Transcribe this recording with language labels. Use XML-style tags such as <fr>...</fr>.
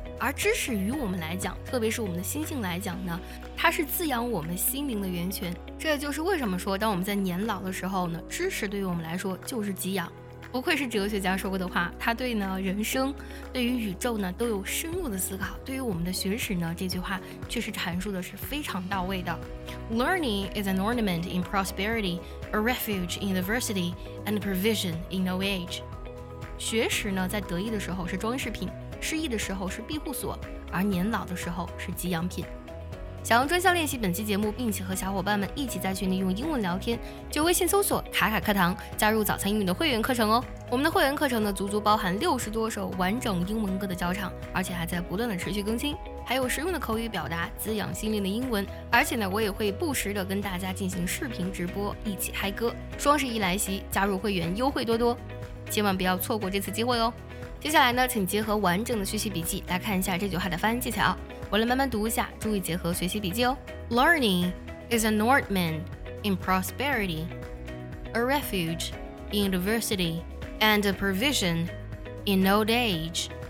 <zh>而知识与我们来讲，特别是我们的心性来讲呢，它是滋养我们心灵的源泉。这就是为什么说当我们在年老的时候呢，知识对于我们来说就是给养。不愧是哲学家说过的话，他对呢人生对于宇宙呢都有深入的思考，对于我们的学识呢，这句话确实阐述的是非常到位的。</zh> <en>Learning is an ornament in prosperity, a refuge in adversity, and a provision in old age.</en> <zh>学识呢在得意的时候是装饰品，失意的时候是庇护所，而年老的时候是给养品。想要专项练习本期节目，并且和小伙伴们一起在群里用英文聊天，就微信搜索卡卡课堂，加入早餐英语的会员课程哦。我们的会员课程呢足足包含60多首完整英文歌的教场，而且还在不断的持续更新，还有实用的口语表达，滋养心灵的英文。而且呢我也会不时的跟大家进行视频直播，一起嗨歌。双十一来袭，加入会员优惠多多，千万不要错过这次机会哦。接下来呢，请结合完整的学习笔记来看一下这句话的发音技巧。我来慢慢读一下，注意结合学习笔记哦。</zh> <en>Learning is an ornament in prosperity, a refuge in adversity, and a provision in old age.</en>